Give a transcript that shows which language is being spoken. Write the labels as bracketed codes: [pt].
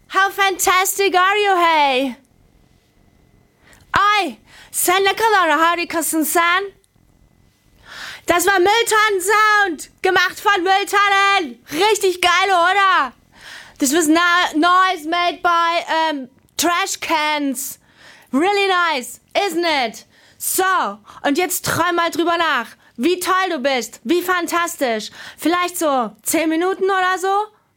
[en] How fantastic are you, hey? [tr] Ay, sen ne kadar harikasın sen? [de] Das war Mülltonnen-Sound, gemacht von Mülltonnen. Richtig geil, oder? [en] This was noise made by trash cans. Really nice, isn't it? [de] So, und jetzt träum mal drüber nach. Wie toll du bist, wie fantastisch. Vielleicht so 10 Minuten oder so?